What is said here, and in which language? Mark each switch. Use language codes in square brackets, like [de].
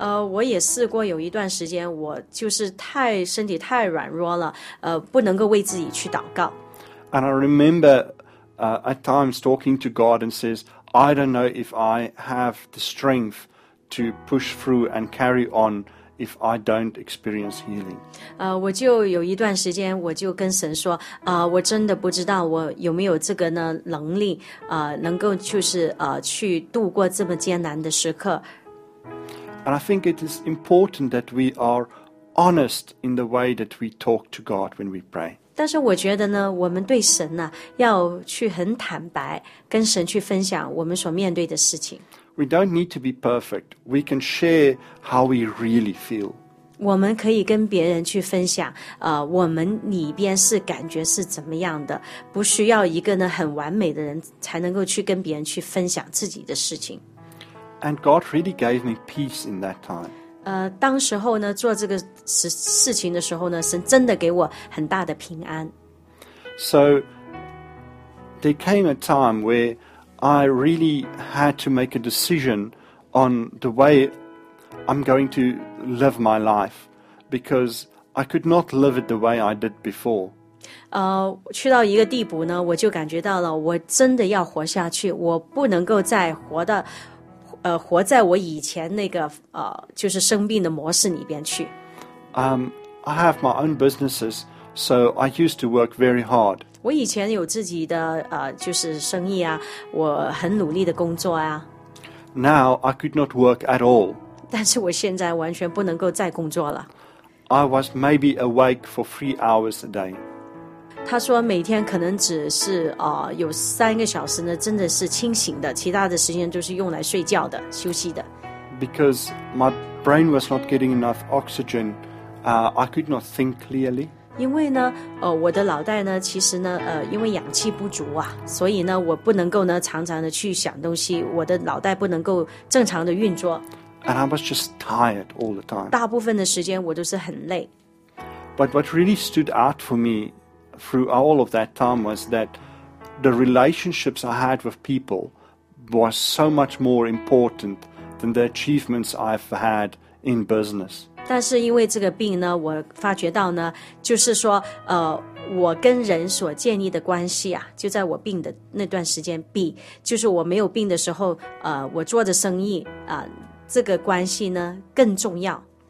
[zh] 我也试过有一段时间，我就是太身体太软弱了，不能够为自己去祷告。 [en] And I remember, at times talking to God and says, I don't know if I have the strength to push through and carry on if I don't experience healing. [zh] 我就有一段时间，我就跟神说，我真的不知道我有没有这个呢能力，能够就是去度过这么艰难的时刻。 [en] And I think it is important that we are honest in the way that we talk to God when we pray. [zh] 但是我觉得呢，我们对神呢要去很坦白，跟神去分享我们所面对的事情。 [en] We don't need to be perfect. We can share how we really feel. [zh] 我们可以跟别人去分享，我们里边是感觉是怎么样的，不需要一个呢很完美的人才能够去跟别人去分享自己的事情。 [en] And God really gave me peace in that time. [zh] 当时候呢做这个事情的时候呢，神真的给我很大的平安。 [en] So there came a time where. I really had to make a decision on the way I'm going to live my life because I could not live it the way I did before. [zh] 去到一个地步呢，我就感觉到了，我真的要活下去，我不能够再活在我以前那个就是生病的模式里边去。 [en] I have my own businesses, so I used to work very hard. [zh] 我以前有自己的就是生意啊，我很努力的工作啊。 [en] Now I could not work at all. [zh] 但是我现在完全不能够再工作了。 [en] I was maybe awake for 3 hours a day. [zh] 他说每天可能只是有三个小时呢，真的是清醒的，其他的时间都是用来睡觉的，休息的。 [en] Because my brain was not getting enough oxygen, I could not think clearly. [zh] 因为呢，我的脑袋呢，其实呢，因为氧气不足啊，所以呢，我不能够呢，常常的去想东西，我的脑袋不能够正常的运作。 [en] And I was just tired all the time. [zh] 大部分的时间我都是很累。 [en] But what really stood out for me through all of that time was that the relationships I had with people was so much more important than the achievements I've had in business. [zh] 但是因为这个病呢，我发觉到呢，就是说，我跟人所建立的关系啊，就在我病的那段时间，就是我没有病的时候，我做的生意啊，这个关系呢更重要。